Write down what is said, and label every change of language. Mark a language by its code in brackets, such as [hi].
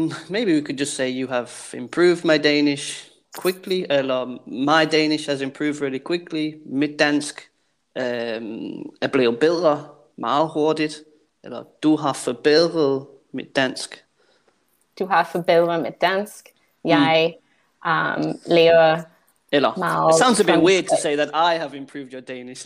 [en] Maybe we could just say you have improved my Danish quickly. My Danish has improved really quickly. [da] Mit dansk er blevet bedre meget hurtigt. Eller du har forbedret mit dansk. Du har forbedret mit dansk. Jeg lærer. [en] Eller, it sounds a bit weird to say that I have improved your Danish.